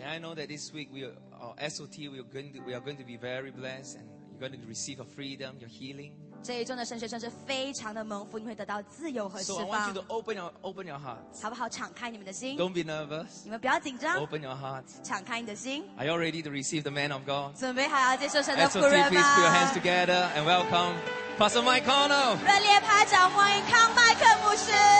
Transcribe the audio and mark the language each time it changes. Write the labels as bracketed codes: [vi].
[en] And I know that this week we are going to be very blessed, and you're going to receive your freedom, your healing. [zh] 这一周的神学生是非常的蒙福，你会得到自由和释放。 [en] So I want you to open your heart. [zh] 好不好？敞开你们的心。 [en] Don't be nervous. [zh] 你们不要紧张。 [en] Open your heart. [zh] 敞开你的心。 [en] Are you ready to receive the man of God? [zh] 准备好要接受神的仆人吗 [en] ？SOT, please put your hands together and welcome Pastor Mike Connor. [zh] 热烈拍掌欢迎康麦克牧师。